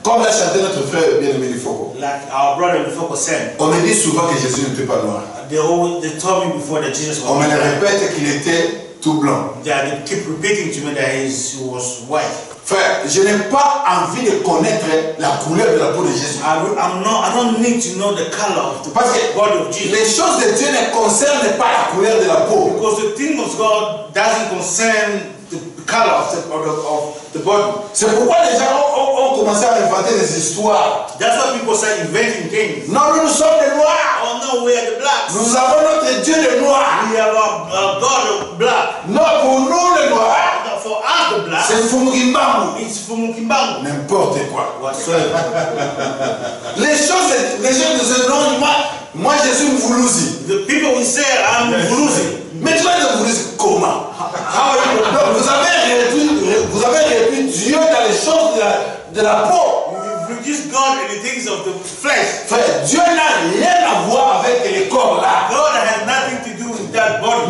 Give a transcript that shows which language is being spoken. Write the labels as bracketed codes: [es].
[fr] Comme l'a chanté notre frère bien-aimé du Foco. [en] Like our brother du Foco said. [fr] On me dit souvent que Jésus n'était pas noir. [en] They told me before that Jesus was on black. [fr] On me répète qu'il était tout blanc. [en] Yeah, they keep repeating to me that he was white. [fr] Frère, je n'ai pas envie de connaître la couleur de la peau de Jésus. [en] I don't need to know the color of the [fr] Parce [en] body of Jesus. [fr] Les choses de Dieu ne concernent pas la couleur de la peau. [en] Because the thing of God doesn't concern the color of the body. [fr] C'est pourquoi les gens ont commencé à inventer des histoires. [en] That's why people start inventing things. [fr] Non, nous sommes des noirs. [en] Oh no, we are the blacks. [fr] Nous avons notre Dieu de noir. [en] We have a God of black. [fr] Non, pour nous les noirs. [en] For us the black. [fr] C'est Fumukimbangu. [en] It's Fumukimbangu. [fr] N'importe quoi. [en] Whatsoever. [fr] les gens disent non, moi je suis Mvuluzi. [en] The people will say I'm Mvuluzi. [fr] Mais tu vas dire Mvuluzi comment? [en] How are you? [fr] Non, vous avez réduit Dieu dans les choses de la peau. [en] You've reduced God in the things of the flesh. [fr] Frère, Dieu n'a rien à voir avec les corps là. [en] God has nothing to do with that body.